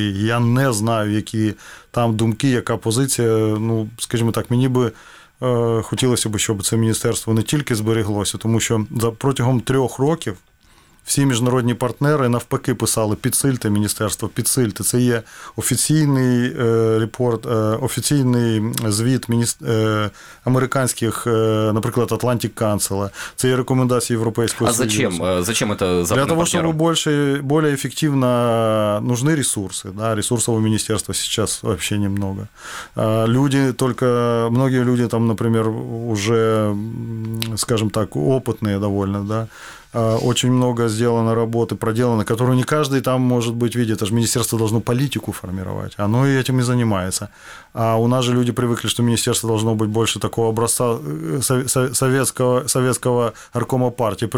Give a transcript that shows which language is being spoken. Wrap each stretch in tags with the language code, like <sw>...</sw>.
<uk>Я не знаю, які там думки, яка позиція. Ну, скажімо так, мені би хотілося б, щоб це міністерство не тільки зберіглося, тому що протягом 3 років всі міжнародні партнери навпаки писали: підсильте міністерство, підсильте. Це є офіційний репорт, офіційний звіт американських, наприклад, Atlantic Council. Це є рекомендації Європейського Союзу.</uk> <ru>А зачем? Зачем это</ru> <uk>запрошено? Для того, щоб більш ефективно</uk> <ru>нужны</ru> <uk>ресурси. Да?</uk> <ru>Ресурсов</ru> <uk>у міністерства зараз</uk> <ru>вообще немного. Люди только, многие люди там, например, уже, скажем так, опытные довольно, да. Очень много сделано работы, проделано, которую не каждый там может быть видеть. Это же министерство должно политику формировать. Оно и этим и занимается. А у нас же люди привыкли, что министерство должно быть больше такого образца советского горкома партии.</ru>